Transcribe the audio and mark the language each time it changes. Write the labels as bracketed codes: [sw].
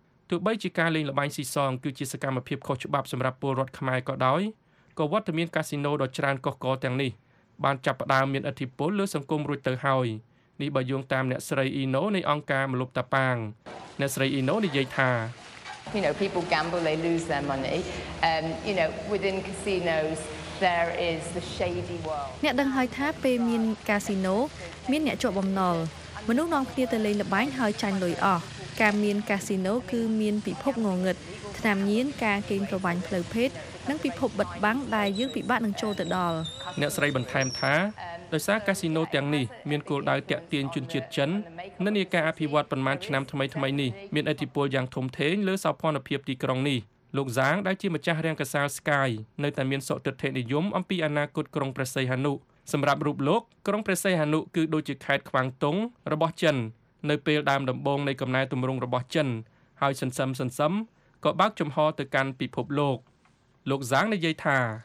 [km] ទោះបីជាការលេងល្បែងស៊ីសងគឺជាសកម្មភាពខុសច្បាប់សម្រាប់ពលរដ្ឋខ្មែរក៏ដោយក៏វត្តមានកាស៊ីណូដ៏ច្រើនកុះករទាំងនេះបានចាប់ផ្ដើមមានឥទ្ធិពលលើសង្គមរួចទៅហើយនេះបើយោងតាមអ្នកស្រីអ៊ីណូនៃអង្គការមលុបតាប៉ាងអ្នកស្រីអ៊ីណូនិយាយថា [en] people gamble they lose their money within casinos there is the shady world [km] អ្នកដឹងហើយថាពេលមានកាស៊ីណូមានអ្នកជាប់បំណុលមនុស្សនាំគ្នាទៅលេងល្បែងហើយចាញ់លុយអស់ការមានកាស៊ីណូគឺមានពិភពងងឹតឆ្នាំញៀនការគេងប្រវាញ់ផ្លូវភេទនិងពិភពបិទបាំងដែលយើងពិបាកនឹងចូលទៅដល់អ្នកស្រីបន្ថែមថាដោយសារកាស៊ីណូទាំងនេះមានគោលដៅទាក់ទាញជនជាតិចិននិន្នាការអភិវឌ្ឍប្រមាណឆ្នាំថ្មីៗនេះមានឥទ្ធិពលយ៉ាងធំធេងលើសោភ័ណភាពទីក្រុងនេះលោកហ្សាងដែលជាម្ចាស់រាងកសាល Sky នៅតែមានសុទិដ្ឋិនិយមអំពីអនាគតក្រុងព្រះសីហនុសម្រាប់រូបលោកក្រុងព្រះសីហនុគឺដូចជាខេត្តខ្វាងតុងរបស់ចិននៅពេលដើមដំបូងនៃកំណែទម្រង់របស់ចិនហើយសន្សឹមក៏បើកចំហទៅកាន់ពិភពលោកលោកហ្សាងនិយាយថា